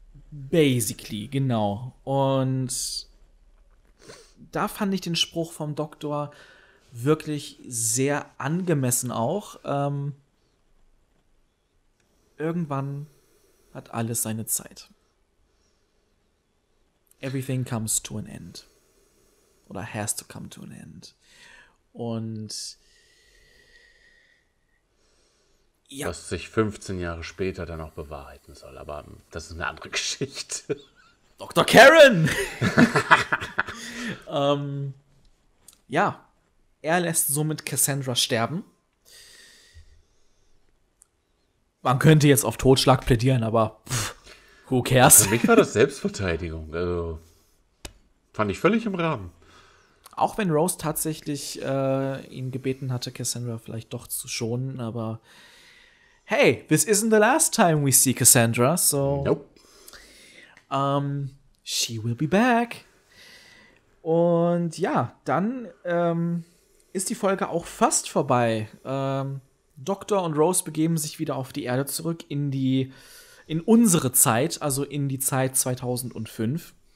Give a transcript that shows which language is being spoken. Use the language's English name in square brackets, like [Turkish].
[German] Basically, genau. Und da fand ich den Spruch vom Doktor wirklich sehr angemessen auch. Irgendwann hat alles seine Zeit. [English] Everything comes to an end. [German] Oder [English] has to come to an end. [German] Und ja. Was sich 15 Jahre später dann auch bewahrheiten soll. Aber das ist eine andere Geschichte. Dr. Karen! ja, er lässt somit Cassandra sterben. Man könnte jetzt auf Totschlag plädieren, aber [English] who cares? [German] Für mich war das Selbstverteidigung. Also, fand ich völlig im Rahmen. Auch wenn Rose tatsächlich ihn gebeten hatte, Cassandra vielleicht doch zu schonen, aber [English] hey, this isn't the last time we see Cassandra, so... Nope. She will be back. [German] Und ja, dann ist die Folge auch fast vorbei. Doktor und Rose begeben sich wieder auf die Erde zurück in die... in unsere Zeit, also in die Zeit 2005.